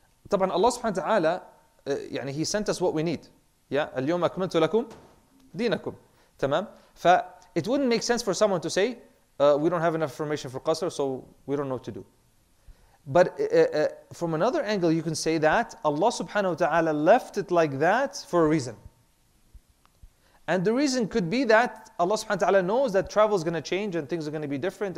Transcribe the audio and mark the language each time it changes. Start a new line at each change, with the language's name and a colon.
English: طبعاً Allah subhanahu wa ta'ala, يعني He sent us what we need.
Arabic: Yeah, اليوم أكملت لكم دينكم. تمام.
English: It wouldn't make sense for someone to say, we don't have enough information for Qasr, so we don't know what to do. But from another angle, you can say that Allah subhanahu wa ta'ala left it like that for a reason. And the reason could be that Allah subhanahu wa ta'ala knows that travel is going to change and things are going to be different.